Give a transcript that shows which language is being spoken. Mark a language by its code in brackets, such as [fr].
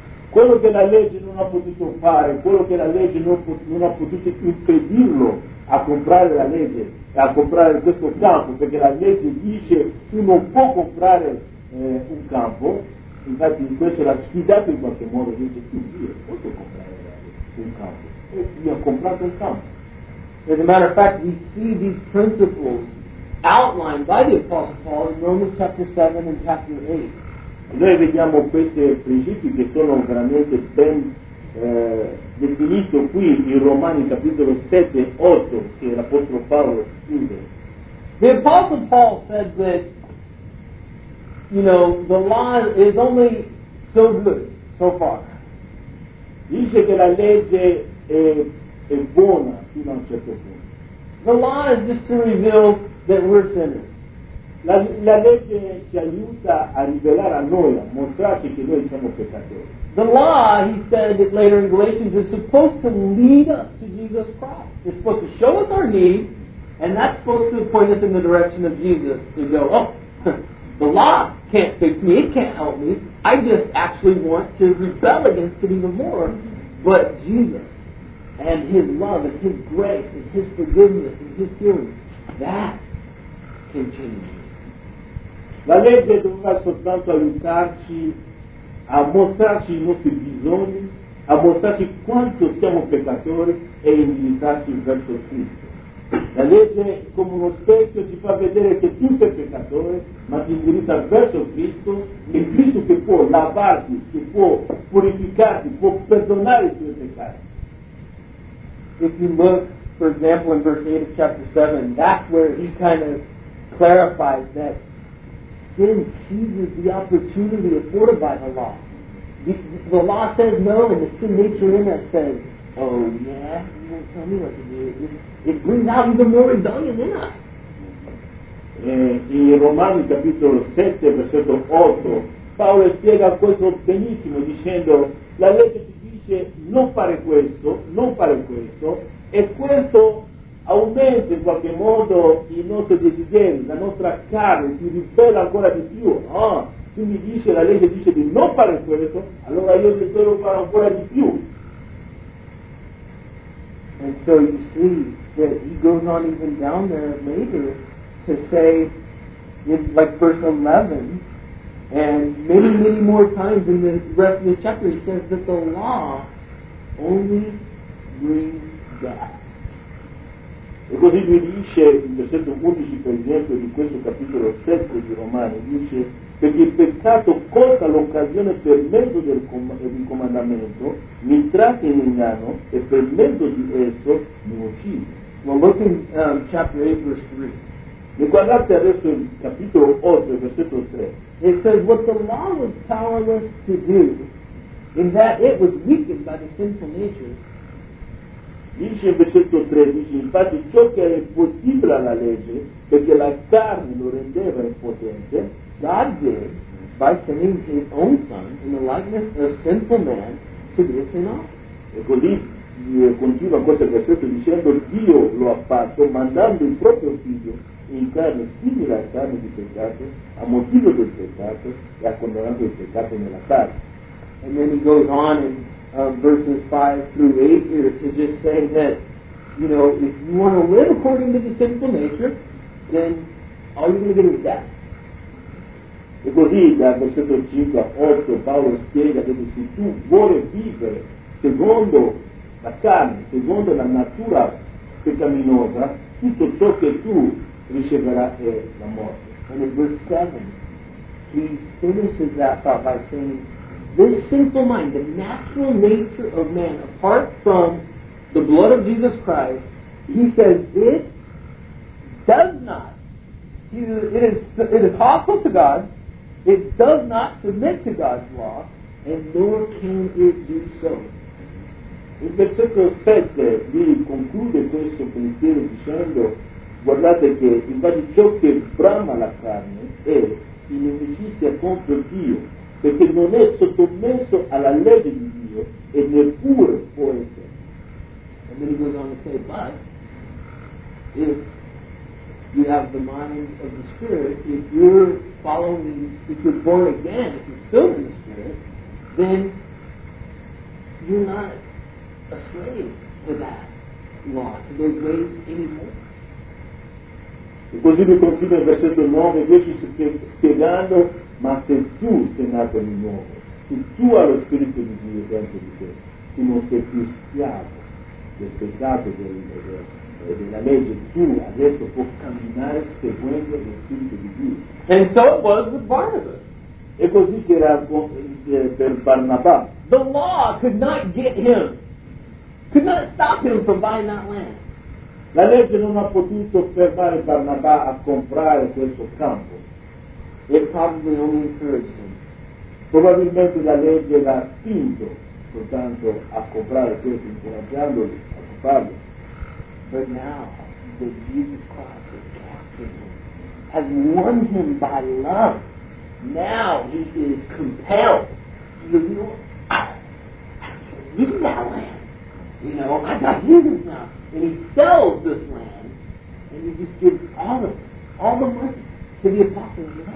[it] Quello che la legge non ha potuto fare, quello che la legge non ha potuto impedirlo a comprare la legge, a comprare questo campo, perché la legge dice tu non può comprare un campo. Infatti questo l'ha sfidato in qualche modo, dice tu io posso comprare un campo, e io ho comprato un campo. [en] As a matter of fact, we see these principles outlined by the Apostle Paul in Romans chapter 7 and chapter 8. [it] Noi vediamo questi principi che sono veramente ben definiti qui in Romani capitolo 7 e 8 che l'Apostolo Paolo scrive. [en] The Apostle Paul said that you know, the law is only so good so far. [it] Dice che la legge è buona fino a un certo punto. [en] The law is just to reveal that we're sinners. [it] La legge ci aiuta a rivelare a noi, a mostrarci che noi siamo peccatori. [en] The law, he said it later in Galatians, is supposed to lead us to Jesus Christ. It's supposed to show us our need, and that's supposed to point us in the direction of Jesus to go, oh, the law can't fix me, it can't help me. I just actually want to rebel against it even more. But Jesus and his love and his grace and his forgiveness and his healing, that can change me. [it] La legge doveva soltanto aiutarci a mostrarci i nostri bisogni, a mostrarci quanto siamo peccatori e indirizzarci verso Cristo. La legge come uno specchio ti fa vedere che tu sei peccatore, ma ti indirizza verso Cristo, e Cristo che può lavarti, che può purificarti, può perdonare i tuoi peccati. [en] If you look, for example, in verse 8 of chapter 7, that's where he kind of clarifies that sin seizes the opportunity afforded by the law. The law says no, and the sin nature in us says, oh yeah, you won't tell me what to do. It brings out even more rebellion in us. [it] In Romani capitolo 7, versetto 8, Paolo spiega questo benissimo dicendo la legge ti dice non fare questo, non fare questo, e questo aumenta in qualche modo i nostri desideri, la nostra carne si ribella ancora di più. Tu mi dici, la legge dice di non fare questo, allora io desidero fare ancora di più. [en] And so you see that he goes on even down there later to say, in like verse 11, and many, many more times in the rest of the chapter, he says that the law only brings death. [it] E così lui dice, in versetto 11, per esempio, di questo capitolo 7 di Romani, dice, perché il peccato colta l'occasione per mezzo del comandamento, mi tratti in inganno, e per mezzo di esso mi uccide. [en] Well, look in chapter 8, verse 3. [it] E guardate adesso il capitolo 8, versetto 3. [en] It says, what the law was powerless to do, in that it was weakened by the sinful nature. [it] Dice in versetto 3, dice, infatti ciò che è impossibile alla legge, perché la carne lo rendeva impotente, [en] God did by sending his own son in the likeness of sinful man to be a sin offering. [it] E così continua questo versetto dicendo Dio lo ha fatto mandando il proprio figlio in carne simile al carne di peccato a motivo del peccato e a condannare il peccato nella carne. [en] And then he goes on in verses 5 through 8 here to just say that, you know, if you want to live according to the sinful nature, then all you're going to get is death. [it] E così da versetto 5 a 8 Paolo spiega che se tu vuoi vivere secondo la carne, secondo la natura peccaminosa, tutto ciò che tu riceverà è la morte. [en] And in verse 7, he finishes that thought by saying, this sinful mind, the natural nature of man, apart from the blood of Jesus Christ, he says, it does not, it is hostile to God, it does not submit to God's law, and nor can it do so. [it] Il versetto 7 lì conclude questo pensiero dicendo, guardate che infatti ciò che brama la carne è inimicizia contro Dio, perché non è sottomesso alla legge di Dio e neppure può essere. [en] And then he goes on to say, but if you have the mind of the Spirit, if you're following, if you're born again, if you're filled with the Spirit, then you're not a slave to that law, to those ways anymore. [it] E così lui continua il versetto 9 e 10 spiegando, ma se tu sei nato di nuovo, se tu hai lo Spirito di Dio dentro di te, tu non sei più schiavo del peccato della legge, tu adesso puoi camminare seguendo lo Spirito di Dio. [en] And so it was with Barnabas. [it] E così che era per Barnabà. [en] The law could not get him, could not stop him from buying that land. [it] La legge non ha potuto fermare Barnabà a comprare questo campo. [en] It probably only encouraged him. [it] Probabilmente la legge l'ha spinto soltanto a comprare questo, incoraggiandolo a comprarlo. [en] But now that Jesus Christ has captured him, has won him by love, now he is compelled. You know, I need that land. You know, I got Jesus now. And he sells this land, and he just gives all the money to the apostles.